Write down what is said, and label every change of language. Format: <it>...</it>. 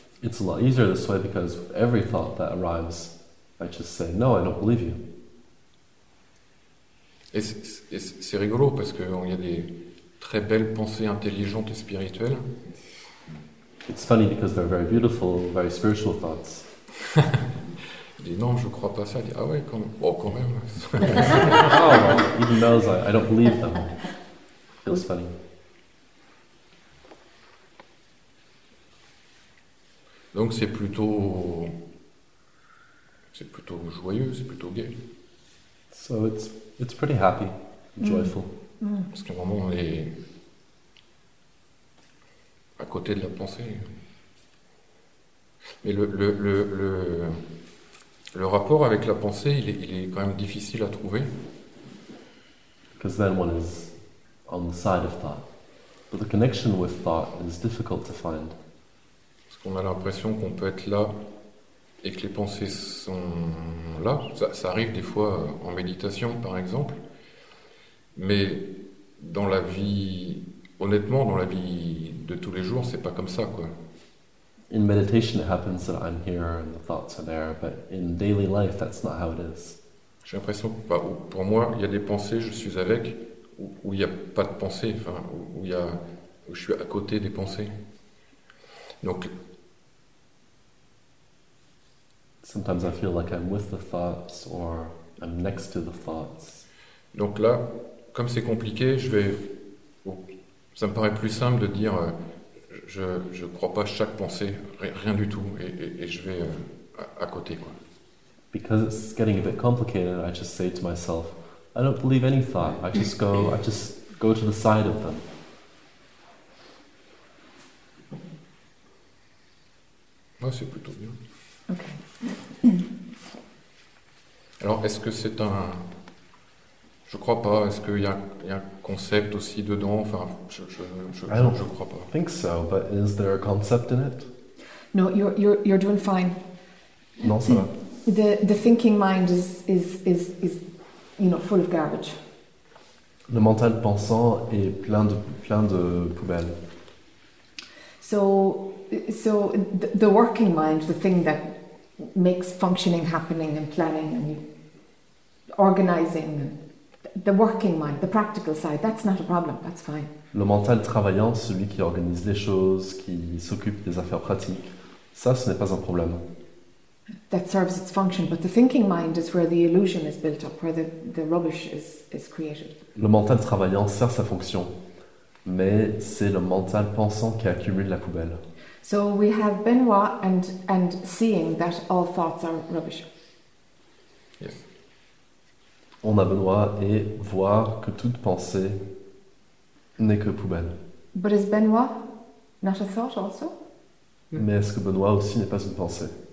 <en>It's a lot easier this way because with every thought that arrives, I just say no, I don't believe you.</en> <fr>Et c'est rigolo parce que il y a des très belles pensées intelligentes et spirituelles.</fr> <en>It's funny because they're very beautiful, very spiritual thoughts.</en> <fr>Il dit non, je crois pas ça. Il dit ah ouais, quand même. Oh, quand même.</fr> <en>Oh, even knows I don't believe them. Feels funny.</en> <fr>Donc c'est plutôt joyeux, c'est plutôt gay.</fr> <en>So it's pretty happy, joyful. Mm.</en> <fr>Parce que vraiment on est à côté de la pensée. Mais le rapport avec la pensée, il est quand même difficile à trouver. Because then one is on the side of thought. But the connection with thought is difficult to find. Parce qu'on a l'impression qu'on peut être là et que les pensées sont là. Ça arrive des fois en méditation, par exemple. Mais dans la vie, honnêtement, dans la vie de tous les jours, c'est pas comme ça, quoi.</fr> <en>In meditation, it happens that I'm here and the thoughts are there, but in daily life, that's not how it is.</en> <fr>J'ai l'impression que pour moi, il y a des pensées, je suis avec, où il n'y a pas de pensée, enfin, où je suis à côté des pensées. Donc.</fr> <en>Sometimes I feel like I'm with the thoughts or I'm next to the thoughts.</en> <fr>Donc là, comme c'est compliqué, je vais. Ça me paraît plus simple de dire. Je crois pas chaque pensée, rien du tout, et je vais à côté, quoi.</fr> <en>Because it's getting a bit complicated, I just say to myself, I don't believe any thought. I just go to the side of them.</en> <fr>Ouais, c'est plutôt bien.</fr> <en>Okay.</en> <fr>Alors, est-ce que c'est un... Je crois pas. Est-ce qu'il y a un concept aussi dedans? Enfin, je crois pas.</fr> <en>I don't think so, but is there a concept in it? No, you're doing fine.</en> <fr>Non, ça va.</fr> <en>The thinking mind is you know full of garbage.</en> <fr>Le mental pensant est plein de poubelles.</fr> <en>So the working mind, the thing that makes functioning happening and planning and organizing. The working mind, the practical side, that's not a problem, that's fine.</en> <fr>Le mental travaillant, celui qui organise les choses, qui s'occupe des affaires pratiques, ça, ce n'est pas un problème.</fr> <en>That serves its function, but the thinking mind is where the illusion is built up, where the rubbish is created.</en> <fr>Le mental travaillant sert sa fonction, mais c'est le mental pensant qui accumule la poubelle.</fr> <en>So we have Benoit and seeing that all thoughts are rubbish. Yes.</en> <fr>On a besoin et voir que toute pensée n'est que poubelle.</fr> <en>But is Benoit not a thought also?</en> <fr>Mais est-ce que Benoît aussi n'est pas une pensée?</fr>